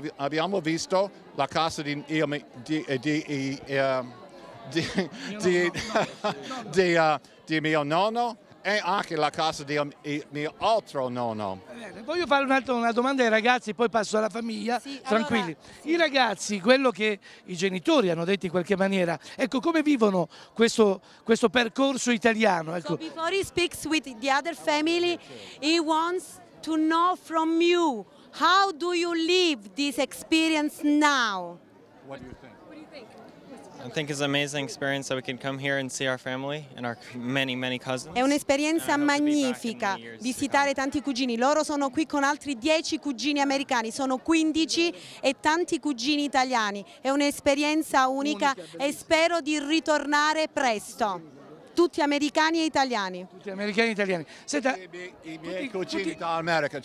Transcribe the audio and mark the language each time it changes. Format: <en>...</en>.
<it>Abbiamo visto la casa di mio nonno e anche la casa di mio altro nonno. Bene, voglio fare una domanda ai ragazzi, poi passo alla famiglia, sì, tranquilli. Allora, sì. I ragazzi, quello che i genitori hanno detto in qualche maniera, ecco, come vivono questo percorso italiano? Ecco.</it> <en>So before he speaks with the other family, he wants to know from you, how do you live this experience now? What do you think? I think it's an amazing experience that we can come here and see our family and our many, many cousins.</en> <it>È un'esperienza magnifica visitare tanti cugini. Loro sono qui con altri 10 cugini americani, sono 15 e tanti cugini italiani. È un'esperienza unica e spero di ritornare presto. Tutti americani e italiani. Tutti americani e italiani. Senta, i miei cugini dall'America.</it>